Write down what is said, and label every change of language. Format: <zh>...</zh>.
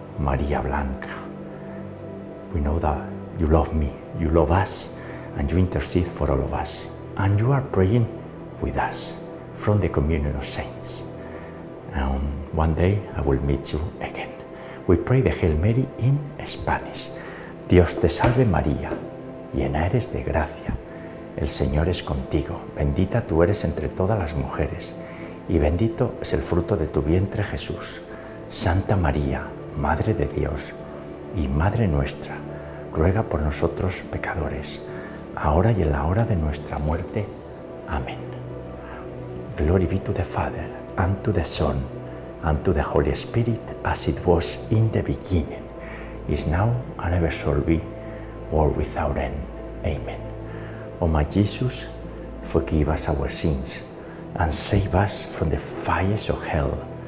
<en>Maria Blanca, we know that you love me, you love us, and you intercede for all of us. and you are praying with us from the Communion of Saints. And one day I will meet you again. We pray the Hail Mary in Spanish.</en> <es>Dios te salve María, llena eres de gracia. El Señor es contigo, bendita tú eres entre todas las mujeres y bendito es el fruto de tu vientre Jesús. Santa María, Madre de Dios y Madre nuestra, ruega por nosotros pecadores, ahora y en la hora de nuestra muerte. Amén.</es> <en>Glory be to the Father, and to the Son, and to the Holy Spirit, as it was in the beginning, is now, and ever shall be, world without end. Amen. O my Jesus, forgive us our sins, and save us from the fires of hell.</en>